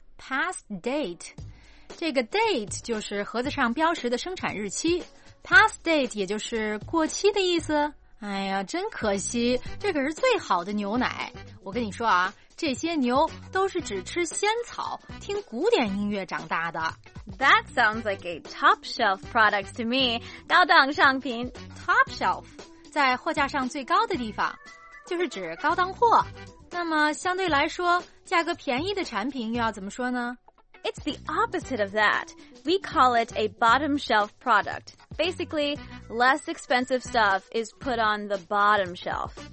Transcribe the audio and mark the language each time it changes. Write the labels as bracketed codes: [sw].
[zh] Past date. 这个 date 就是盒子上标识的生产日期。 Past date 也就是过期的意思。哎呀，真可惜，这可是最好的牛奶。我跟你说啊，这些牛都是只吃仙草，听古典音乐长大的。 [en] That sounds like a top shelf product to me. [zh] 高档商品。 Top shelf 在货架上最高的地方，就是指高档货。那么相对来说价格便宜的产品又要怎么说呢？ [en] It's the opposite of that. We call it a bottom shelf product. Basically, less expensive stuff is put on the bottom shelf.